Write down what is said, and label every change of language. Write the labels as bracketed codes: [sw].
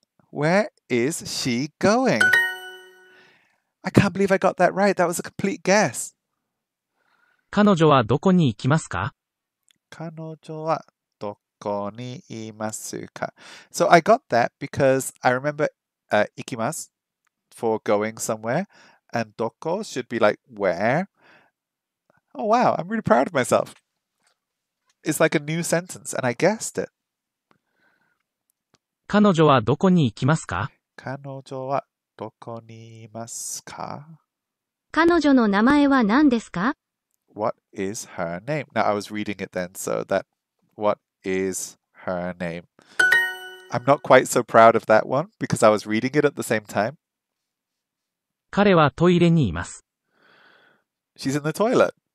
[en] Where is she going? I can't believe I got that right. That was a complete guess. [ja] 彼女はどこに行きますか? 彼女はどこにいますか? [en] So I got that because I remember 行きます for going somewhere. And どこ should be like where. Oh wow, I'm really proud of myself. It's like a new sentence and I guessed it. [ja] 彼女はどこに行きますか? 彼女はどこにいますか? 彼女の名前は何ですか? [en] What is her name? Now, I was reading it then, so that... What is her name? I'm not quite so proud of that one, because I was reading it at the same time. [ja] 彼はトイレにいます。 [en] She's in the toilet.